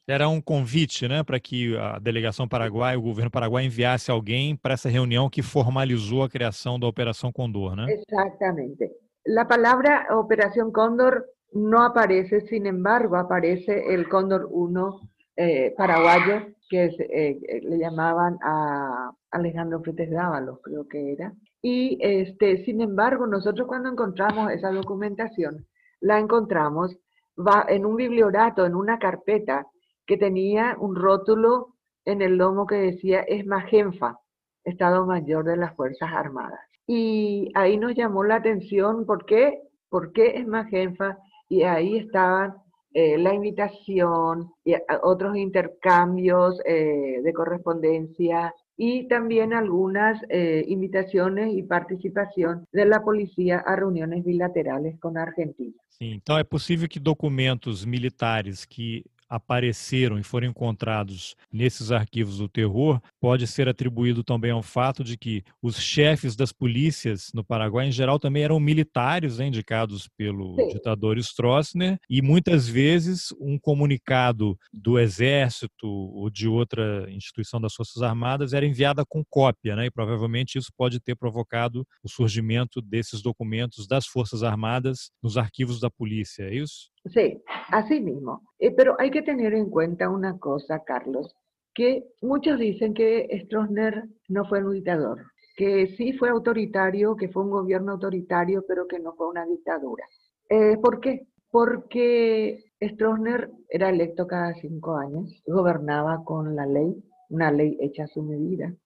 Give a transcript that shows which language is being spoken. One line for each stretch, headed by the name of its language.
Portuguese: Era um convite, né, para que a delegação paraguaia, o governo paraguaio, enviasse alguém para essa reunião que formalizou a criação da Operação Condor, né? Exatamente. A palavra Operação Condor não aparece,
Spanish: sin embargo,
Portuguese: aparece o Condor 1 paraguaio,
Spanish: que le llamaban a Alejandro Fretes Dávalos, creo que era. Y sin embargo, nosotros cuando encontramos esa documentación, la encontramos en un bibliorato, en una carpeta, que tenía un rótulo en el lomo que decía ESMAGENFA, Estado Mayor de las Fuerzas Armadas. Y ahí nos llamó la atención, ¿por qué ESMAGENFA? Y ahí estaban la invitación y otros intercambios de correspondencia, y también algunas invitaciones y participación de la policía a reuniones bilaterales con Argentina. Sí, entonces es posible que documentos militares
Portuguese: que apareceram e foram encontrados nesses arquivos do terror, pode ser atribuído também ao fato de que os chefes das polícias no Paraguai, em geral, também eram militares, né, indicados pelo ditador Stroessner, e muitas vezes um comunicado do exército ou de outra instituição das Forças Armadas era enviada com cópia, né, e provavelmente isso pode ter provocado o surgimento desses documentos das Forças Armadas nos arquivos da polícia, é isso?
Spanish: Sí, así mismo. Pero hay que tener en cuenta una cosa, Carlos, que muchos dicen que Stroessner no fue un dictador, que sí fue autoritario, que fue un gobierno autoritario, pero que no fue una dictadura. ¿Por qué? Porque Stroessner era electo cada 5 años, gobernaba con la ley, una ley hecha a su medida.